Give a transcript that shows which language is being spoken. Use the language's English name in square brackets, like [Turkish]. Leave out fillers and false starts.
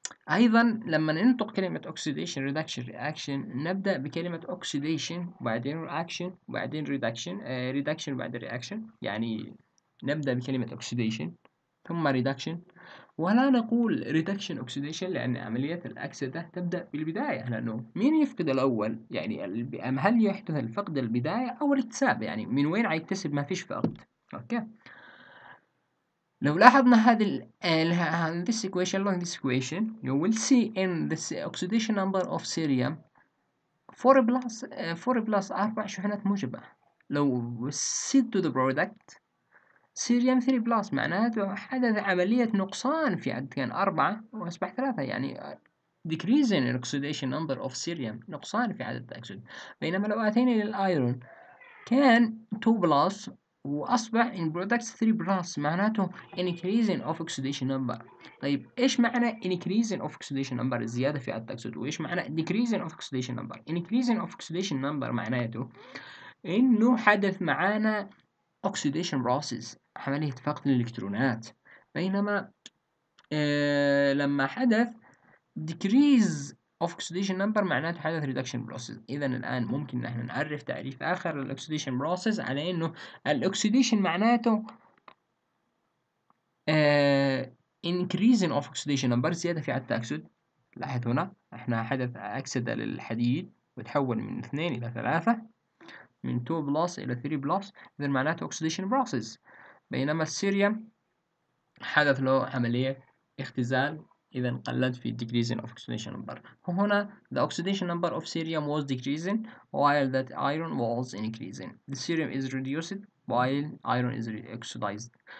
[Arabic] ايضا لما ننطق كلمة oxidation reduction reaction نبدأ بكلمة oxidation وبعدين reaction وبعدين reduction reduction بعد reaction، يعني نبدأ بكلمة oxidation ثم reduction ولا نقول reduction oxidation، لان عملية الاكسدة تبدأ بالبداية، لانه مين يفقد الاول؟ يعني هل يحدث الفقد البداية او الاكتساب؟ يعني من وين هيكتسب؟ ما فيش فقد. اوكي، لو لاحظنا هذه الـ [English] this equation along this equation you will see in this oxidation number of cerium 4 plus [Arabic] 4 شحنات موجبة. لو سيد [English] to the product cerium 3 plus [Arabic] معناته حدث عملية نقصان في عدد كان 4 وأصبح 3، يعني [English] decreasing in oxidation number of cerium [Arabic] نقصان في عدد الأكسد. بينما لو أتينا للأيرون كان [English] 2 plus [Arabic] وأصبح [English] in products 3 plus [Arabic] معناته [English] increasing of oxidation number. [Arabic] طيب إيش معنى [English] increasing of oxidation number؟ [Arabic] زيادة في عدد الأكسد. وإيش معنى [English] decreasing of oxidation number؟ increasing of oxidation number [Arabic] معناته إنه حدث معانا [English] oxidation process [Arabic] عملية فقد الإلكترونات، بينما لما حدث [English] decrease of oxidation number [Arabic] معناته حدث [English] reduction process. [Arabic] إذا الآن ممكن نحن نعرف تعريف آخر للـ [English] oxidation process [Arabic] على إنه الـ oxidation معناته [English] increasing of oxidation number [Arabic] زيادة في عدد الأكسد. لاحظ هنا إحنا حدث أكسدة للحديد وتحول من 2 إلى 3، من 2 بلس إلى 3 بلس، إذا معناته oxidation process. بينما السيريوم حدث له عملية اختزال، إذا قلت في decreasing of oxidation number. هنا [English] the oxidation number of cerium was decreasing while that iron was increasing. The cerium is reduced while iron is oxidized.